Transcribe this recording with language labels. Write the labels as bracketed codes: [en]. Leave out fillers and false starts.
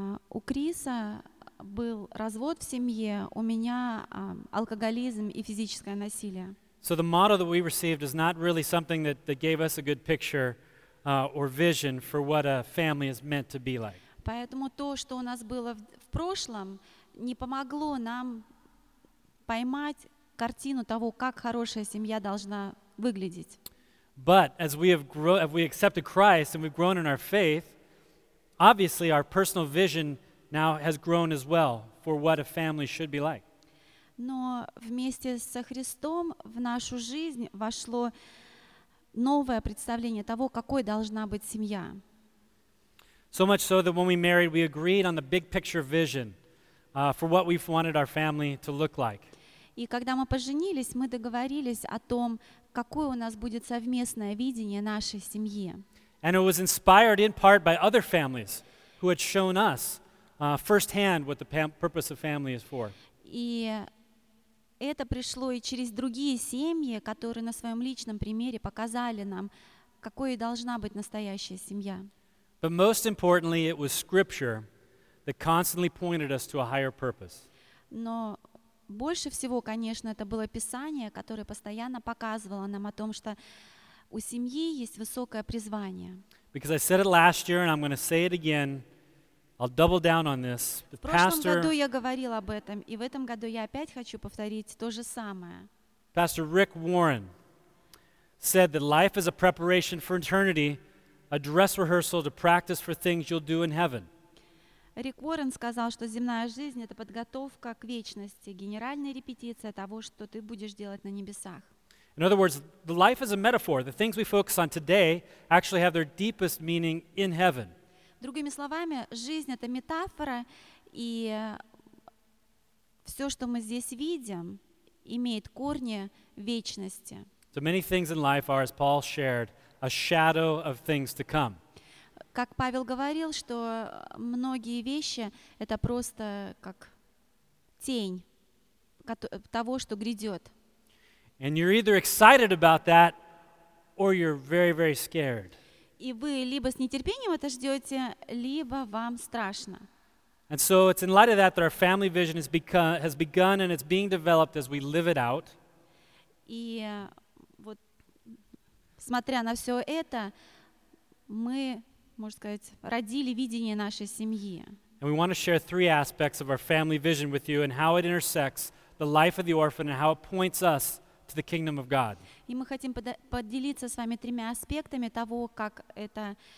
[ru] У Криса был развод в семье, у меня алкоголизм и физическое насилие. [en] So the model that we received is not really something that gave us a good picture or vision for what a family is meant to be like. [ru] Поэтому то, что у нас было в прошлом, не помогло нам поймать картину того, как хорошая семья должна выглядеть. [en] But as we have grown, as we accepted Christ and we've grown in our faith, obviously our personal vision now has grown as well for what a family should be like. [ru] Но вместе со Христом в нашу жизнь вошло новое представление того, какой должна быть семья. [en] So much so that when we married, we agreed on the big picture vision for what we wanted our family to look like. [ru] И когда мы поженились, мы договорились о том, какое у нас будет совместное видение нашей семьи. [en] And it was inspired in part by other families who had shown us firsthand what the purpose of family is for. [ru] И это пришло и через другие семьи, которые на своем личном примере показали нам, какой должна быть настоящая семья. [en] But most importantly, it was Scripture that constantly pointed us to a higher purpose. [ru] Но больше всего, конечно, это было Писание, которое постоянно показывало нам о том, что у семьи есть высокое призвание. [en] Because I said it last year, and I'm going to say it again. I'll double down on this. [ru] В прошлом году я говорил об этом, и в этом году я опять хочу повторить то же самое. [en] Pastor Rick Warren said that life is a preparation for eternity, a dress rehearsal to practice for things you'll do in heaven. [ru] Рик Уоррен сказал, что земная жизнь — это подготовка к вечности, генеральная репетиция того, что ты будешь делать на небесах. [en] In other words, the life is a metaphor. The things we focus on today actually have their deepest meaning in heaven. [ru] Другими словами, жизнь — это метафора, и все, что мы здесь видим, имеет корни вечности. [en] So many things in life are, as Paul shared, a shadow of things to come. [ru] Как Павел говорил, что многие вещи — это просто как тень того, что грядет. [en] And you're either excited about that, or you're very, very scared. [ru] И вы либо с нетерпением это ждете, либо вам страшно. [en] And so it's in light of that that our family vision has begun and it's being developed as we live it out. [ru] И вот, смотря на все это, мы, можно сказать, родили видение нашей семьи. [en] And we want to share three aspects of our family vision with you and how it intersects the life of the orphan and how it points us to the kingdom of God. [ru] И мы хотим поделиться с вами тремя аспектами того, как это